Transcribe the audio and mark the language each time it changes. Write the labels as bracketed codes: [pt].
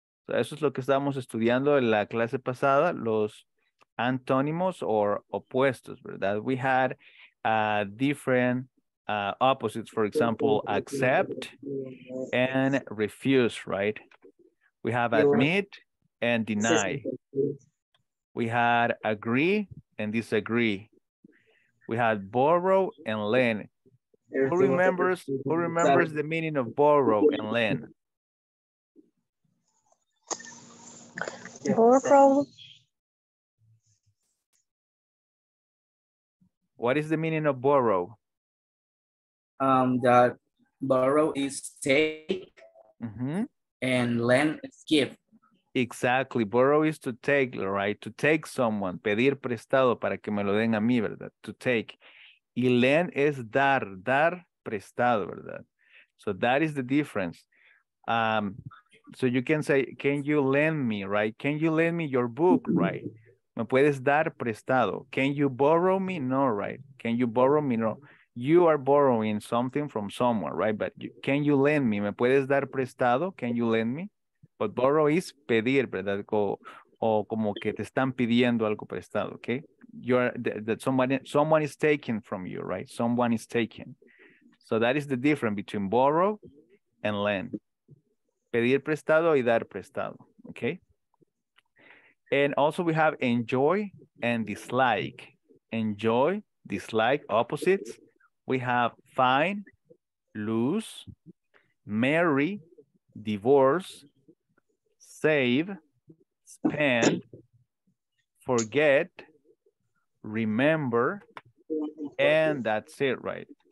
[es] So eso es lo que estábamos estudiando en la clase pasada, los antónimos or opuestos, ¿verdad? [en] We had different opposites, for example, accept and refuse, right? We have admit and deny. We had agree and disagree. We had borrow and lend. Who remembers the meaning of borrow and lend? What is the meaning of borrow? That borrow is take and lend is give. Exactly. Borrow is to take, right? To take someone, [es] pedir prestado para que me lo den a mí, ¿verdad? [en] To take. [es] Y lend es dar, dar prestado, ¿verdad? [en] So that is the difference. So you can say, can you lend me, right? Can you lend me your book, right? [es] Me puedes dar prestado. [en] Can you borrow me? No, right? Can you borrow me? No. You are borrowing something from someone, right? But you, can you lend me? [es] Me puedes dar prestado? [en] Can you lend me? But borrow is [es] pedir, ¿verdad? O como que te están pidiendo algo prestado, okay? [en] Someone is taking from you, right? Someone is taking. So that is the difference between borrow and lend. [es] Pedir prestado y dar prestado, [en] okay? And also we have enjoy and dislike. Enjoy, dislike, opposites. We have fine, lose, marry, divorce, save, spend, forget, remember, and that's it, right?